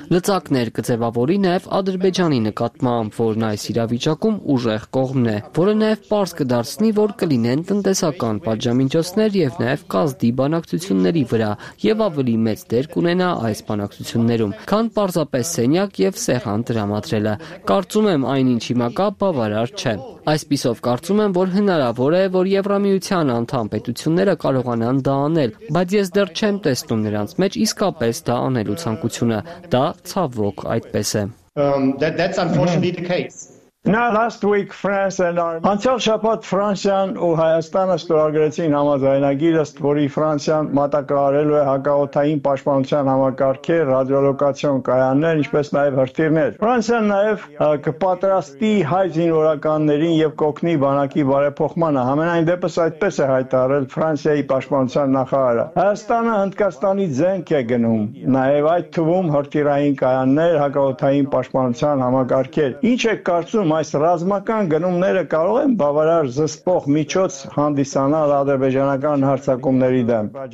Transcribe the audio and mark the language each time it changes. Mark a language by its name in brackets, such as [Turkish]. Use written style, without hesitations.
[Armenian] Լծակներ կձևավորի նաև Ադրբեջանի նկատմամբ, որն այս իրավիճակում ուժեղ կողմն է, որը նաև պարզ կդարձնի, որ կլինեն տնտեսական պատժամիջոցներ եւ նաև կազդի բանակցությունների վրա եւ ավելի մեծ դեր կունենա այս բանակցություններում, քան պարզապես սենյակ եւ սեղան դրամատրելը։ Կարծում եմ, այնինչ հիմա կա, բավարար չէ։ Այսպիսով կարծում եմ, որ հնարավոր է, որ Եվրամիության անդամ պետությունները կարողանան դա անել, բայց ես դեռ չեմ տեսնում նրանց մեջ իսկապես դա անելու ցանկությունը։ Դա ցավոք այդպես է։ [English] That's unfortunately the case. Now last week France and Armenia. [Armenian] Անցյալ շաբաթ Ֆրանսիան ու Հայաստանը ստորագրեցին համաձայնագիրը, որի Ֆրանսիան մատակարարելու է հակաօդային պաշտպանության համակարգի ռադիոլոկացիոն կայաններ, ինչպես նաև հրթիռներ։ Ֆրանսիան նաև կպատրաստի հայ զինվորականներին եւ կօգնի բանակի բարեփոխմանը։ Համենայն դեպս այդպես է հայտարարել Ֆրանսիայի պաշտպանության նախարարը։ Հայաստանը Հնդկաստանի ձենք է գնում, նաև այդ թվում հրթիռային կայաններ, հակաօդային պաշտպանության համակարգեր։ Ինչ է կարծում այս ռազմական գնումները կարող են բավարար զսպող միջոց հանդիսանալ ադրբեջանական հարձակումների դեմ։